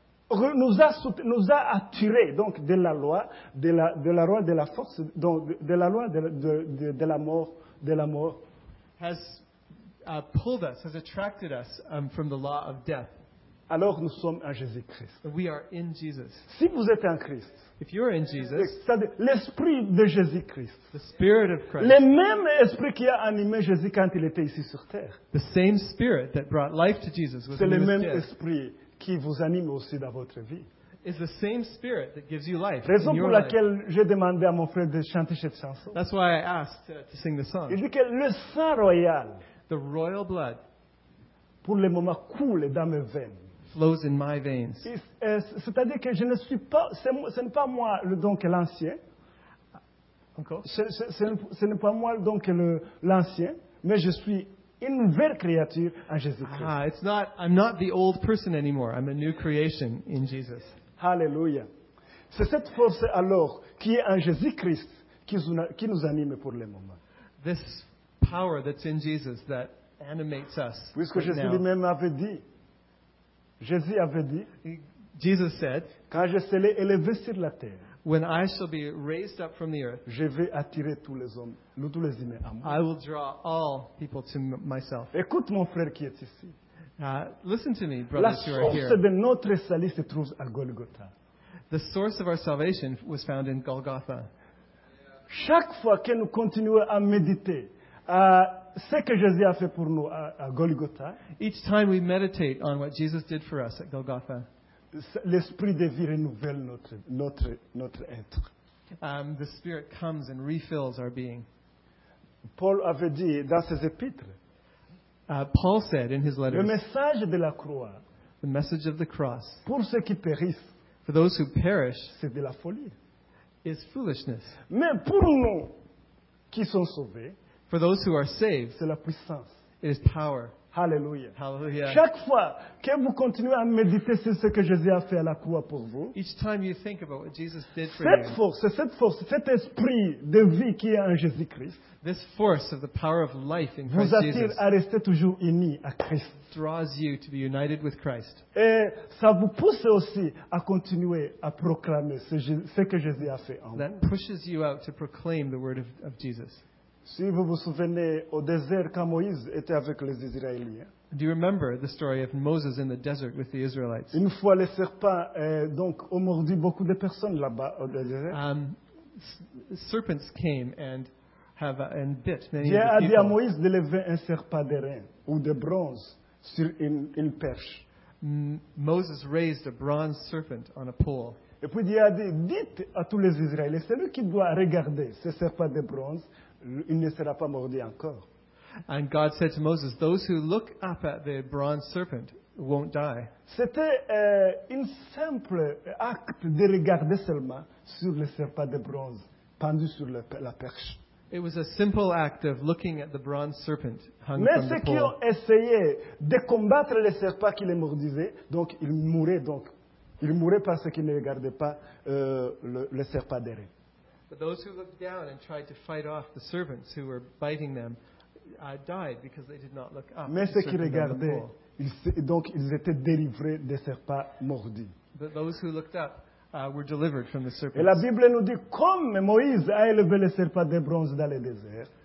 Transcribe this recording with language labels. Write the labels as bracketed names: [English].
[French] nous a attiré donc de la loi de la loi de la force donc de la loi de la mort de la mort [English] has pulled us has attracted us from the law of death. [French] Alors nous sommes en Jésus Christ. [English] We are in Jesus. [French] Si vous êtes en Christ, [English] if you are in Jesus, [French] c'est-à-dire l'esprit de Jésus Christ, [English] the spirit of Christ, [French] le même esprit qui a animé Jésus quand il était ici sur terre, [English] the same spirit that brought life to Jesus, [French] c'est le même esprit qui vous anime aussi dans votre vie. [English] Is the same spirit that gives you life. [French] Raison pour laquelle [English] life. [French] J'ai demandé à mon frère de chanter cette chanson. [English] That's why I asked to sing the song. [French] Il dit que le sang royal, [English] the royal blood, [French] pour le moment coule dans mes veines. [English] Flows in my veins. [French] C'est-à-dire que je ne suis pas, ce n'est pas moi le don que l'ancien. Ce n'est pas moi le don que l'ancien, mais je suis une nouvelle créature en Jésus-Christ. [English] Ah, it's not, I'm not the old person anymore. I'm a new creation in Jesus. Hallelujah. [French] C'est cette force alors qui est en Jésus-Christ qui nous anime pour le moment. [English] This power that's in Jesus that animates us. [French] Puisque [English] right [French] Jésus lui-même avait dit, Jésus avait dit, [English] Jesus said, [French] quand je serai élevé sur la terre, [English] When I shall be raised up from the earth, [French] je vais attirer tous les hommes, tous les humains à moi. [English] I will draw all people to myself. [French] Écoute mon frère qui est ici. [English] Listen to me, brothers who are here. [French] La source de notre salut se trouve à Golgotha. [English] The source of our salvation was found in Golgotha. [French] Chaque fois que nous continuons à méditer ce que Jésus a fait pour nous à Golgotha, [English] each time we meditate on what Jesus did for us at Golgotha, [French] l'esprit de vie renouvelle notre être. [English] The Spirit comes and refills our being. [French] Paul avait dit dans ses épîtres, [English] Paul said in his letters, [French] le message de la croix, [English] the message of the cross, [French] pour ceux qui périssent, [English] for those who perish, [French] c'est de la folie, [English] is foolishness. [French] Mais pour nous qui sont sauvés, [English] for those who are saved, [French] c'est la puissance, [English] it is power. Hallelujah. Hallelujah. [French] Chaque fois que vous continuez à méditer sur ce que Jésus a fait à la croix pour vous, [English] each time you think about what Jesus did for [French] cette [English] you, [French] force, cette force, cet esprit de vie qui est en Jésus-Christ, [English] this force of the power of life in [French] vous [English] Christ [French] attire [English] Jesus, [French] à rester toujours unis à Christ, [English] draws you to be united with Christ. [French] Et ça vous pousse aussi à continuer à proclamer ce que Jésus a fait en vous. [English] That pushes you out to proclaim the word of Jesus. [French] Si vous vous souvenez au désert quand Moïse était avec les Israéliens. [English] Do you remember the story of Moses in the desert with the Israelites? [French] Une fois les serpents donc ont mordu beaucoup de personnes là-bas au désert. [English] Serpents came and and bit many [French] Dieu [English] of the [French] a dit à Moïse de lever un serpent d'airain ou de bronze sur une perche. [English] Moses raised a bronze serpent on a pole. [French] Et puis Dieu a dit, dites à tous les Israélites, c'est lui qui doit regarder ce serpent de bronze. Il ne sera pas mordu encore. [English] And God said to Moses, those who look up at the bronze serpent won't die. [French] C'était un simple acte de regarder seulement sur le serpent de bronze pendu sur la perche. [English] It was a simple act of looking at the bronze serpent hung [French] Mais [English] from the pole. [French] Mais ceux qui ont essayé de combattre le serpent qui les mordisait, donc ils mouraient parce qu'ils ne regardaient pas le serpent d'airain. [English] But those who looked down and tried to fight off the servants who were biting them died because they did not look up. [French] Mais ceux qui regardaient, ils étaient délivrés des serpents mordus. [English] But those who looked up were delivered from the serpents. [French] Et la Bible nous dit, comme Moïse a élevé le serpent de bronze dans le désert.